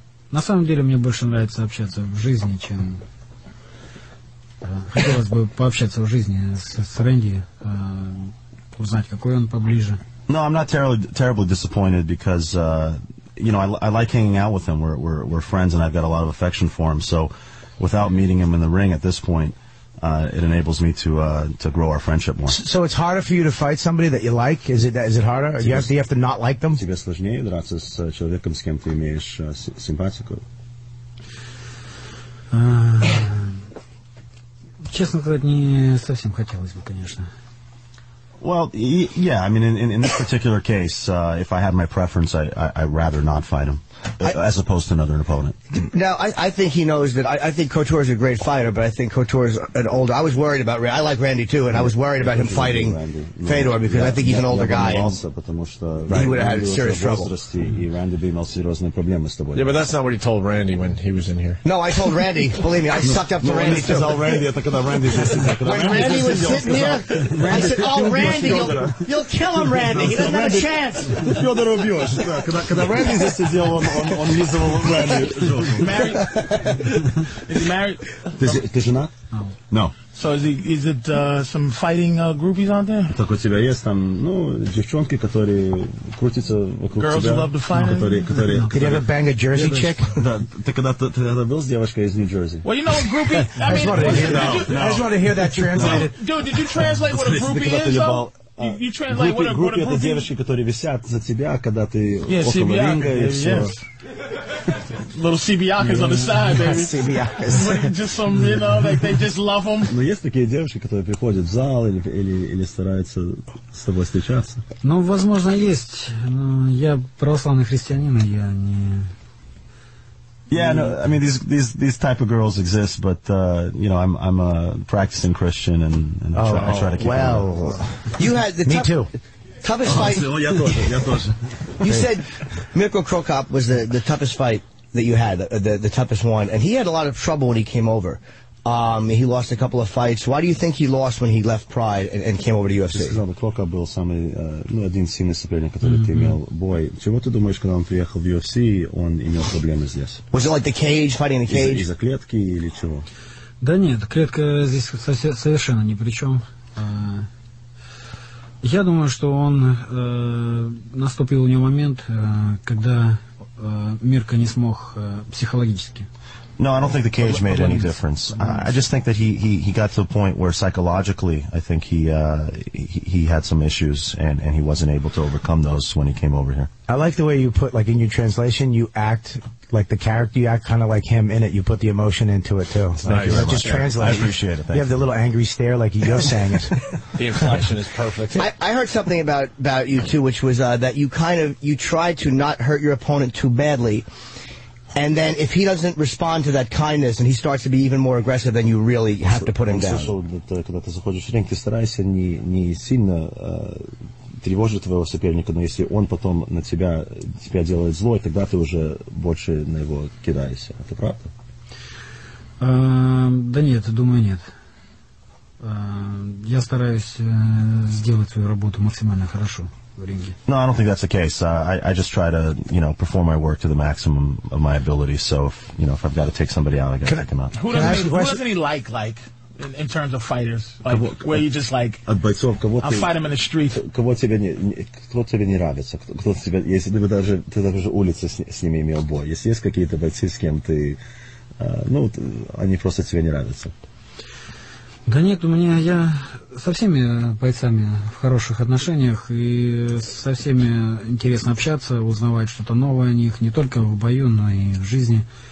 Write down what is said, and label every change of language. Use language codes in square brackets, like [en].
[ru] На самом деле мне больше нравится общаться в жизни, чем хотелось бы пообщаться в жизни с Рэнди, узнать, какой он поближе. [en] No, I'm not terribly disappointed because you know, I like hanging out with him. We're friends, and I've got a lot of affection for him. So without meeting him in the ring at this point, it enables me to grow our friendship more. So it's harder for you to fight somebody that you like? Is it harder? Do you have to not like them? [ru] Тебе сложнее драться с человеком, с кем ты имеешь симпатию? Честно сказать, не совсем хотелось бы, конечно. [en] Well, yeah, I mean, in this particular case, if I had my preference, I'd rather not fight him, as opposed to another opponent. Now, I think he knows that. I think Couture is a great fighter, but I think Couture is an older. I was worried about Randy. I like Randy, too, and I was worried about him fighting Fedor because I think he's an older guy. He would have had serious trouble. Yeah, but that's not what he told Randy when he was in here. No, I told Randy. Believe me, I sucked up to Randy, too. When Randy was sitting here, I said, oh, Randy, you'll kill him, Randy. He doesn't have a chance. Fyodor of yours. Because Randy is just on miserable Randy. Married? Is he married? Does he not? No. No. So is it some fighting groupies out there? [ru] Так у тебя есть там, ну, девчонки, которые крутятся вокруг тебя. [en] Girls who love to fight? [ru] Которые... [en] Could you ever bang a Jersey chick? [ru] Да, ты когда-то был с девочкой из Нью-Джерси? [en] Well, you know, a groupie... I just want to hear that translated. Dude, did you translate what a groupie is, though? [ru] Группы — это девочки, которые висят за тебя, когда ты около ринга и все. [en] Little CBIakas on the side, baby. CBIakas. Just some, you know, like they just love them. [ru] Но есть такие девушки, которые приходят в зал или стараются с тобой встречаться? Ну, возможно, есть. Но я православный христианин, я не... [en] Yeah, no. I mean, these type of girls exist, but you know, I'm a practicing Christian, and I try to keep. Well, you had the me too. Toughest fight. You said Mirko Krokop was the toughest fight that you had, the toughest one, and he had a lot of trouble when he came over. He lost a couple of fights. Why do you think he lost when he left Pride and came over to UFC? Just because Krokop was [ru] самый один сильный соперник, который ты имел бой. Чего ты думаешь, когда он приехал в UFC, он имел проблемы здесь? [en] Was it like the cage, fighting in the cage? [ru] Из-за клетки или чего? Да нет, клетка здесь совершенно ни при чем. Я думаю, что он наступил у него момент, когда Мирка не смог психологически. [en] No, I don't think the cage made any difference. I just think that he got to a point where psychologically, I think he had some issues and he wasn't able to overcome those when he came over here. I like the way you put, like, in your translation, you act like the character, you act kind of like him in it. You put the emotion into it, too. Thank you. Just translate. I appreciate it. You have the little angry stare like you're saying it. The inflection is perfect. I heard something about you, too, which was that you try to not hurt your opponent too badly. And then if he doesn't respond to that kindness and he starts to be even more aggressive, then you really have to put him down. [ru] Когда ты заходишь в ринг, ты стараешься не сильно тревожить твоего соперника, но если он потом на тебя делает зло, тогда ты уже больше на него кидаешься. Это правда? Да нет, думаю, нет. Я стараюсь сделать свою работу максимально хорошо. [en] No, I don't think that's the case. I just try to, you know, perform my work to the maximum of my ability. So, if I've got to take somebody out, I've got to take them out. Who doesn't he like, in terms of fighters? Like, where you just like, I'll fight him in the street. [ru] Кто тебе не нравится? Кто тебе, если ты даже улицы с ними имел бой, если есть какие-то бойцы, с кем ты, ну, они просто тебе не нравятся. Да нет, у меня я со всеми бойцами в хороших отношениях, и со всеми интересно общаться, узнавать что-то новое о них, не только в бою, но и в жизни.